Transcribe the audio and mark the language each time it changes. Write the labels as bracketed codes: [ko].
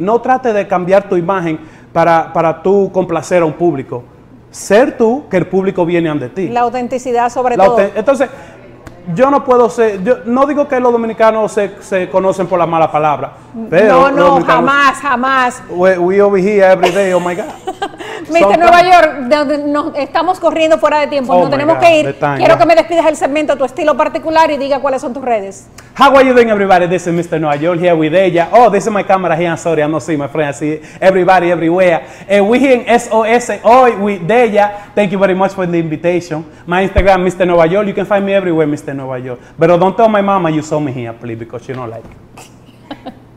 [es] No trate de cambiar tu imagen para tú complacer a un público. Ser tú, que el público viene ante ti. La autenticidad sobre todo. Entonces, yo no puedo ser, yo no digo que los dominicanos se conocen por la mala palabra, pero no, jamás. [en] We over here every day, oh my God. [es] Mister Nueva York, nos estamos corriendo fuera de tiempo, no tenemos que ir. Quiero que me despidas el segmento Tu Estilo Particular y diga cuáles son tus redes. [en] How are you doing, everybody? This is Mr. Nueva York here with ella. Oh, this is my camera here. I'm sorry, I'm not seeing my friend. I see everybody everywhere. We here in SOS hoy with Deya. Thank you very much for the invitation. My Instagram, Mr. Nueva York. You can find me everywhere, Mr. Nueva York. But don't tell my mama you saw me here, please, because she don't like it.